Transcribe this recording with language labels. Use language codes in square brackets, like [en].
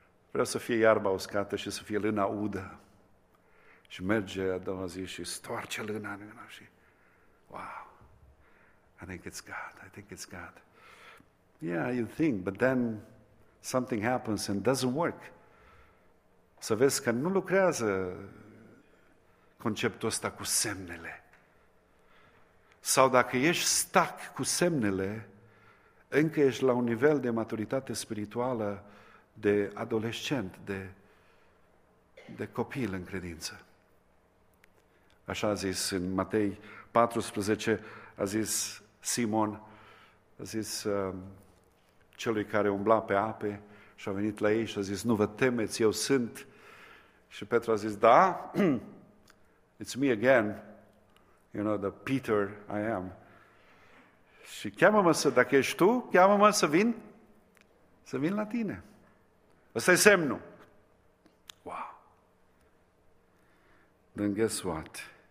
[ro] Vreau să fie iarba uscată și să fie lâna udă. Și merge a doua zi și stoarce lâna în lână și... [en] Wow! I think it's God. Yeah, you think, but then something happens and doesn't work. [ro] Să vezi că nu lucrează conceptul ăsta cu semnele. Sau dacă ești stuck cu semnele, încă ești la un nivel de maturitate spirituală, de adolescent, de copil în credință. Așa a zis în Matei 14, a zis Simon, a zis celui care umbla pe ape și a venit la ei și a zis, nu vă temeți, eu sunt. Și Petru a zis, da, [en] it's me again, you know, the Peter I am. [ro] Și cheamă-mă să, dacă ești tu, cheamă-mă să vin la tine. Ăsta-i semnul. Wow. [en] Then guess what?